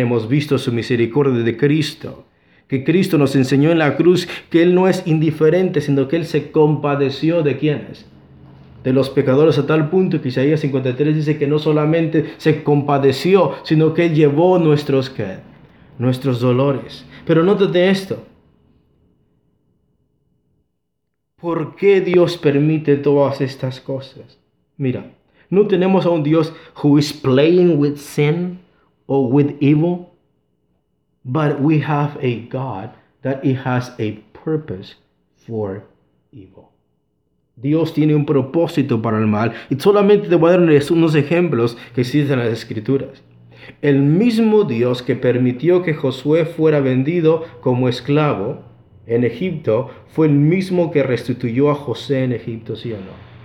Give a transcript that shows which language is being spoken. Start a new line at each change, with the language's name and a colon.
Spanish: Hemos visto su misericordia de Cristo. Que Cristo nos enseñó en la cruz que Él no es indiferente, sino que Él se compadeció de quienes, de los pecadores, a tal punto que Isaías 53 dice que no solamente se compadeció, sino que Él llevó nuestros, ¿qué? Nuestros dolores. Pero nótate esto. ¿Por qué Dios permite todas estas cosas? Mira, no tenemos a un Dios
English: who is playing with sin or with evil. But we have a God that he has a purpose for evil.
Spanish: Dios tiene un propósito para el mal. Y solamente te voy a dar unos ejemplos que existen en las Escrituras. El mismo Dios que permitió que Josué fuera vendido como esclavo en Egipto fue el mismo que restituyó a José en Egipto, ¿sí o no?